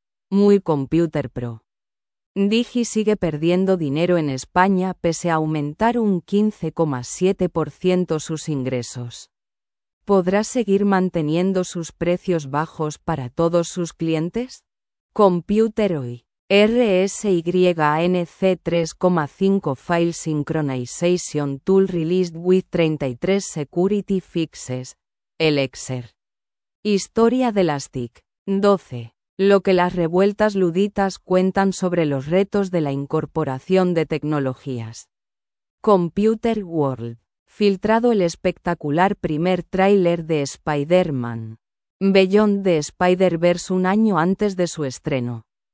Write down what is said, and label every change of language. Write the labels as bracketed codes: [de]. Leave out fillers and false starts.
[es] Muy Computer Pro. Digi sigue perdiendo dinero en España pese a aumentar un 15,7% sus ingresos. ¿Podrá seguir manteniendo sus precios bajos para todos sus clientes? Computeroy. [en] RSYANC 3.5 File Synchronization Tool released with 33 Security Fixes. [es] Elixir. Historia de las TIC. 12. Lo que las revueltas luditas cuentan sobre los retos de la incorporación de tecnologías. Computer World. Filtrado el espectacular primer tráiler de Spider-Man. Beyond the Spider-Verse un año antes de su estreno.